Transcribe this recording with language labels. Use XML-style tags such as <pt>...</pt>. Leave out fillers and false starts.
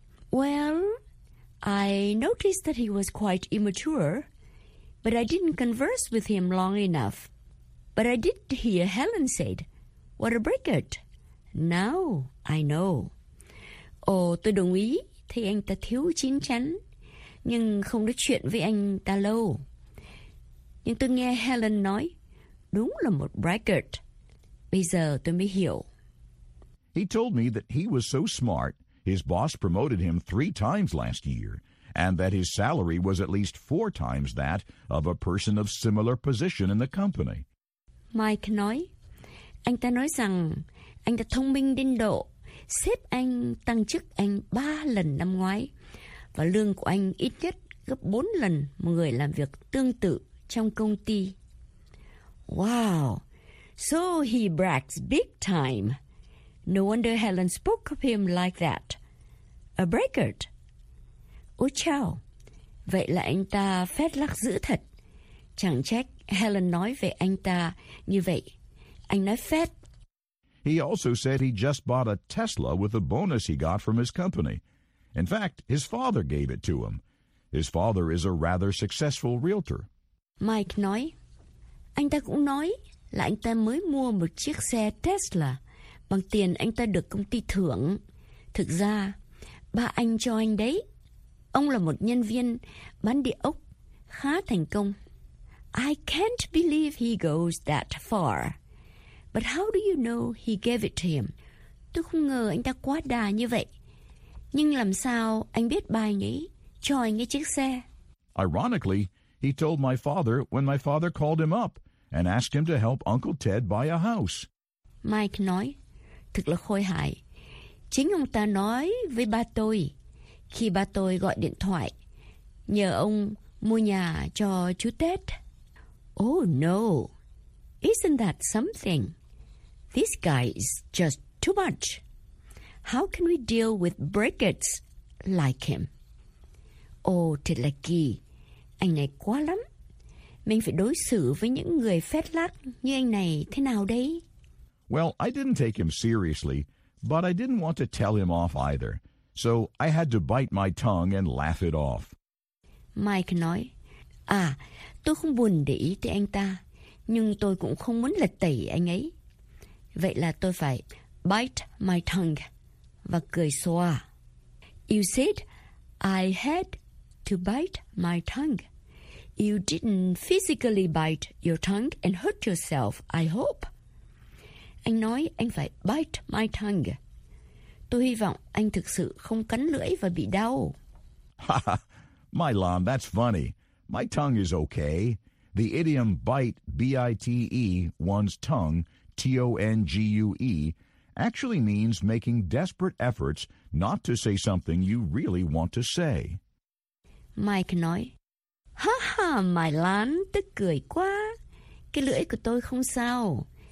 <en>Well, I noticed that he was quite immature, but I didn't converse with him long enough. But I did hear Helen said, what a braggart. Now I know.</en> <vi>Oh, tôi đồng ý, thấy anh ta thiếu chín chắn, nhưng không nói chuyện với anh ta lâu. Nhưng tôi nghe Helen nói, đúng là một braggart. Bây giờ tôi mới hiểu.</vi> <en>He told me that he was so smart, his boss promoted him 3 times last year, and that his salary was at least 4 times that of a person of similar position in the company.</en> <vi>Mike nói, anh ta nói rằng anh ta thông minh đến độ sếp anh tăng chức anh 3 lần năm ngoái và lương của anh ít nhất gấp 4 lần một người làm việc tương tự trong công ty.</vi> <en>Wow, so he brags big time. No wonder Helen spoke of him like that. A braggart.</en> <vi>Ôi chao, vậy là anh ta phét lắc dữ thật. Chẳng trách Helen nói về anh ta như vậy. Anh nói phét.</vi> <en>He also said he just bought a Tesla with a bonus he got from his company. In fact, his father gave it to him. His father is a rather successful realtor.</en> <vi>Mike nói, anh ta cũng nói là anh ta mới mua một chiếc xe Tesla bằng tiền anh ta được công ty thưởng. Thực ra, ba anh cho anh đấy. Ông là một nhân viên bán địa ốc khá thành công.</vi> <en>I can't believe he goes that far. But how do you know he gave it to him?</en> <vi>Tôi không ngờ anh ta quá đà như vậy. Nhưng làm sao anh biết ba anh ấy cho anh ấy chiếc xe?</vi> <en>Ironically, he told my father when my father called him up and asked him to help Uncle Ted buy a house.</en> <vi>Mike nói, thực là khôi hài. Chính ông ta nói với ba tôi khi ba tôi gọi điện thoại nhờ ông mua nhà cho chú Ted.</vi> <en>Oh no! Isn't that something? This guy is just too much. How can we deal with braggarts like him?</en> <vi>Oh, thật là kỳ. Anh này quá lắm. Mình phải đối xử với những người phét lác như anh này thế nào đây?</vi> <en>Well, I didn't take him seriously, but I didn't want to tell him off either. So I had to bite my tongue and laugh it off.</en> <vi>Mike nói, à, tôi không buồn để ý tới anh ta. Nhưng tôi cũng không muốn lật tẩy anh ấy. Vậy là tôi phải bite my tongue và cười xòa.</vi> <en>You said I had to bite my tongue. You didn't physically bite your tongue and hurt yourself, I hope.</en> <vi>Anh nói anh phải bite my tongue. Tôi hy vọng anh thực sự không cắn lưỡi và bị đau.</vi> <en>My lamb, that's funny. My tongue is okay. The idiom bite, B-I-T-E, one's tongue, T-O-N-G-U-E, actually means making desperate efforts not to say something you really want to say.</en> <vi>Mike nói, ha ha, my lan, tức cười quá. Cái lưỡi của tôi không sao.</vi>